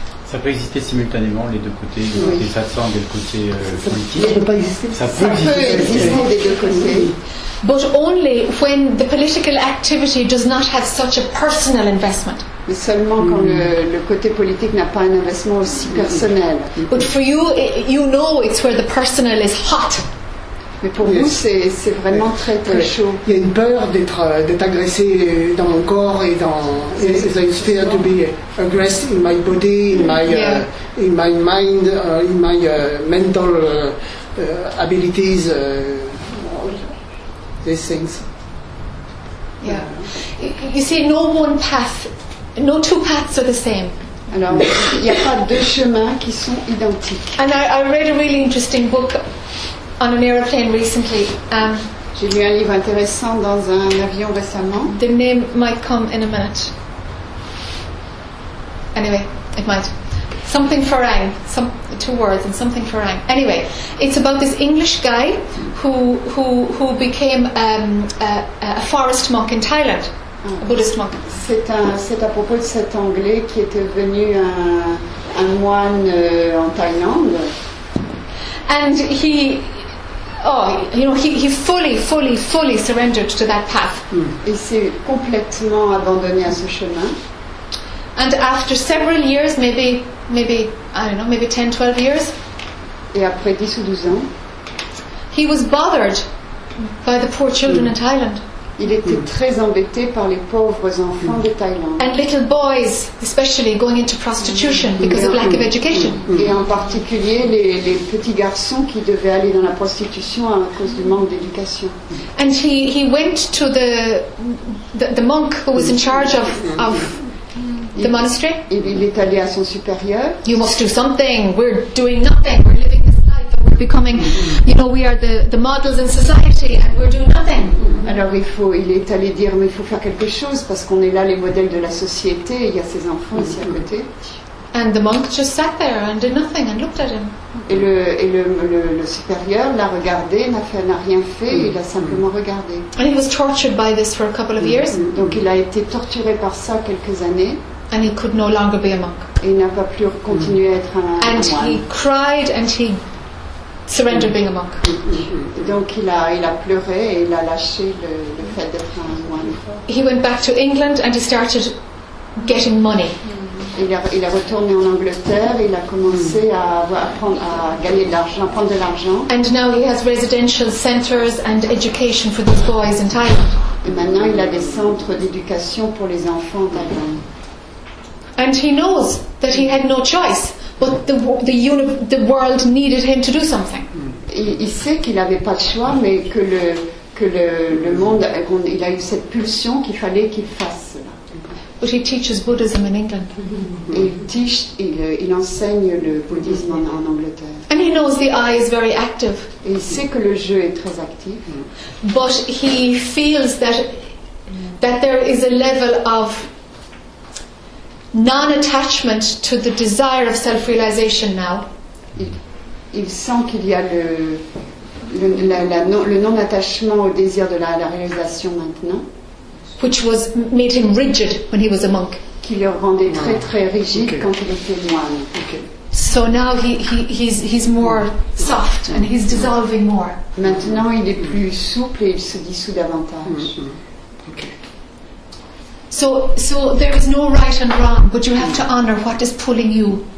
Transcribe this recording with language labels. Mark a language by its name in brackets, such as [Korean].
[French] Ça peut exister simultanément, les deux côtés, le côté satsang et le côté politique. Ça peut exister des deux côtés. [English] But only when the political activity does not have such a personal investment. [French] Mais seulement quand le côté politique n'a pas un investissement aussi personnel. [English] But for you, you know it's where the personal is hot. [French] Mais pour vous, c'est vraiment très très chaud. Il y a une peur d'être agressé dans mon corps et dans. [English] There's a fear to be aggressed in my body, in my mind, in my mental abilities. These things. Yeah. You see, no one path, no two paths are the same. [French] Alors, il n'y a pas deux chemins qui sont identiques. [English] And I read a really interesting book. On an aeroplane recently. [French] J'ai lu un livre intéressant dans un avion récemment. [English] The name might come in a minute. Anyway, it might. Something Farang. Two words and something Farang. Anyway, it's about this English guy who became a forest monk in Thailand. A Buddhist monk. [French] C'est à propos de cet Anglais qui était devenu un moine en Thaïlande. [English] And he... he fully surrendered to that path. [French] Il s'est complètement abandonné à ce chemin. [English] And after several years, maybe I don't know, maybe 10, 12 years. [French] Et après 10 ou 12 ans, [English] he was bothered by the poor children in Thailand. [French] Il était très embêté par les pauvres enfants de Thaïlande. [English] And little boys, especially going into prostitution because of lack of education. [French] Et en particulier les petits garçons qui devaient aller dans la prostitution à cause du manque d'éducation. [English] And he went to the monk who was in charge of the monastery. [French] Il est allé à son supérieur. [English] You must do something. We're doing nothing. We're living this life and we're becoming, you know, we are the models in society and we're doing nothing. [French] Alors il est allé dire, mais il faut faire quelque chose parce qu'on est là les modèles de la société. Il y a ses enfants ici à côté. [English] And the monk just sat there and did nothing and looked at him. [French] Et le supérieur l'a regardé, n'a rien fait, il a simplement regardé. [English] And he was tortured by this for a couple of years. [French] Donc il a été torturé par ça quelques années. [English] And he could no longer be a monk. [French] Et il n'a pas pu continuer à être un moine. [English] And he cried and he surrendered being a monk. [French] Donc il a pleuré et il a lâché le fait d'être un moine. [English] He went back to England and he started getting money. [French] Il est retourné en Angleterre, il a commencé à gagner de l'argent, prendre de l'argent. [English] And now he has residential centers and education for these boys in Thailand. [French] Et maintenant il a des centres d'éducation pour les enfants en Thaïlande. [English] And he knows that he had no choice, but the world needed him to do something. [French] Il sait qu'il n'avait pas de choix, mais que le monde, il a eu cette pulsion qu'il fallait qu'il fasse. [English] But he teaches Buddhism in England. [French] Il enseigne le bouddhisme en Angleterre. [English] And he knows the eye is very active. [French] Et il sait que le jeu est très actif. [English] But he feels that there is a level of non-attachment to the desire of self-realization now. [French] Il sent qu'il y a le non-attachement au désir de la réalisation maintenant. [English] Which was made him rigid when he was a monk. [French] Qui le rendait très très rigide quand il était moine. [English] So now he's more soft and he's dissolving more. [French] Maintenant il est plus souple et il se dissout davantage. [English] So there is no right and wrong, but you have to honor what is pulling you.